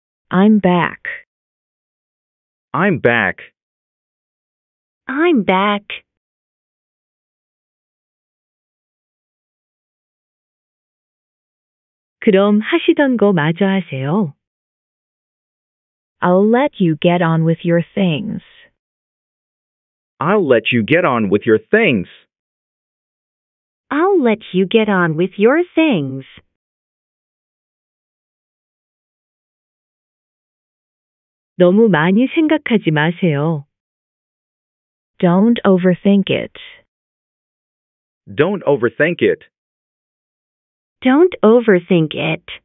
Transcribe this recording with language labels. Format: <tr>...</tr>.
<en>I'm back. I'm back. I'm back.</en> <ko>그럼 하시던 거 마저 하세요.</ko> <en>I'll let you get on with your things. I'll let you get on with your things. I'll let you get on with your things.</en> <ko>너무 많이 생각하지 마세요.</ko> <en>Don't overthink it. Don't overthink it. Don't overthink it.</en>